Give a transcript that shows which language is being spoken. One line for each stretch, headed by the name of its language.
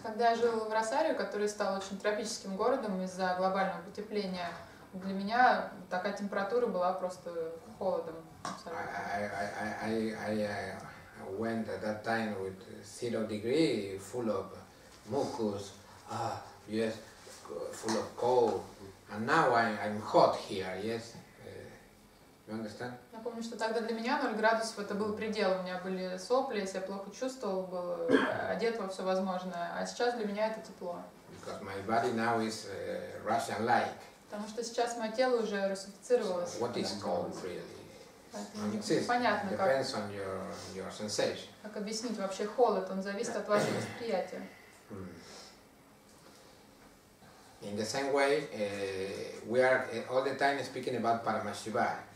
Russian: Когда я жил в Росарио, который стал очень тропическим городом из-за глобального потепления, для меня такая температура была просто холодом.
English: I went at that time with 0 degrees, full of mucus, yes, full of cold, and now I'm hot here, yes.
Russian: Я помню, что тогда для меня 0 градусов это был предел. У меня были сопли, я себя плохо чувствовал, был одет во все возможное. А сейчас для меня это тепло.
English: Because my body now is Russian-like.
Russian: Потому что сейчас мое тело уже русифицировалось.
English: What is cold really?
Russian: Непонятно, как.
English: Depends on your sensation.
Russian: Как объяснить вообще холод? Он зависит от вашего восприятия.
English: In the same way, we are all the time speaking about Paramashiva.